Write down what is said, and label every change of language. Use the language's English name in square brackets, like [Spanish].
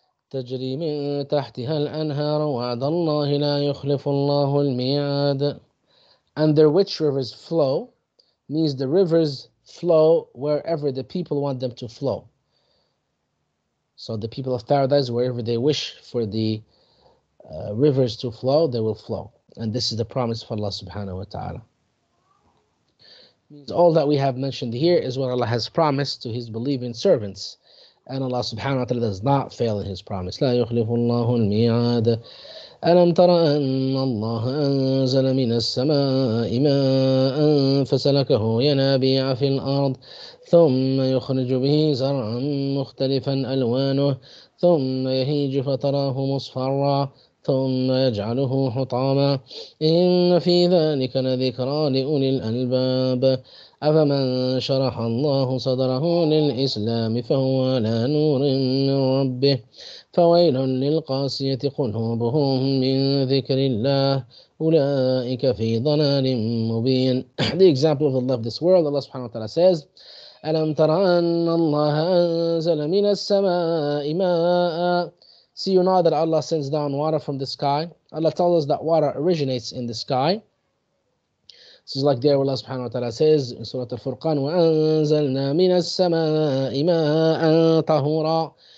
[Arabic] تجري من تحتها الأنهار وعد الله لا يخلف الله الميعاد. [English] Under which rivers flow means the rivers flow wherever the people want them to flow. So the people of paradise, wherever they wish for the rivers to flow, they will flow. And this is the promise of Allah subhanahu wa ta'ala. Means all that we have mentioned here is what Allah has promised to His believing servants. And Allah subhanahu wa ta'ala does not fail in His promise. [Arabic] لا يخلف الله الميعاد. ألم تر أن الله أنزل من السماء ماء فسلكه ينابيع في الأرض ثم يخرج به زرعا مختلفا ألوانه ثم يهيج فتراه مصفرا ثم يجعله حطاما إن في ذلك لذكرى لأولي الألباب أفمن شرح الله صدره للإسلام فهو على نور من ربه فويل للقاسية قلوبهم من ذكر الله أولئك في ضلال مبين. [English] The example of the love of this world, Allah subhanahu wa ta'ala says, [Arabic] ألم تر أن الله أنزل من السماء ماء. [English] See, you know that Allah sends down water from the sky. Allah tells us that water originates in the sky. This is like there where Allah subhanahu wa ta'ala says in Surah Al-Furqan, [Arabic] وَأَنزَلْنَا مِنَ السَّمَاءِ مَاءً طَهُورًا.